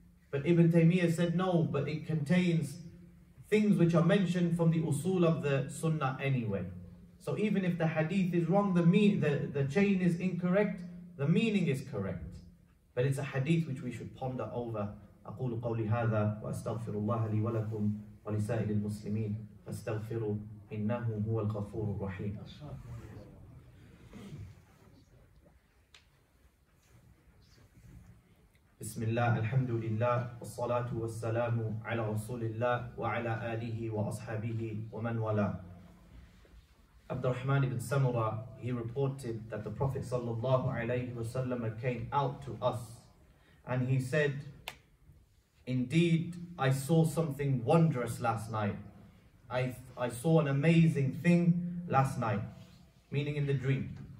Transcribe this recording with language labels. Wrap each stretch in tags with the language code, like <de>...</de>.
<en>But Ibn Taymiyyah said no, but it contains things which are mentioned from the usul of the sunnah anyway. So even if the hadith is wrong, the chain is incorrect, the meaning is correct. But it's a hadith which we should ponder over.</en> <ar>أقول قولي هذا وأستغفر الله لي ولكم ولسائر المسلمين فاستغفروا إنه هو الغفور الرحيم. بسم الله الحمد لله والصلاة والسلام على رسول الله وعلى آله وأصحابه ومن والاه.</ar> <en>Abd al-Rahman ibn Samura, he reported that the Prophet sallallahu alayhi wa sallam came out to us and he said, indeed, I saw something wondrous last night. I saw an amazing thing last night, meaning in the dream.</en>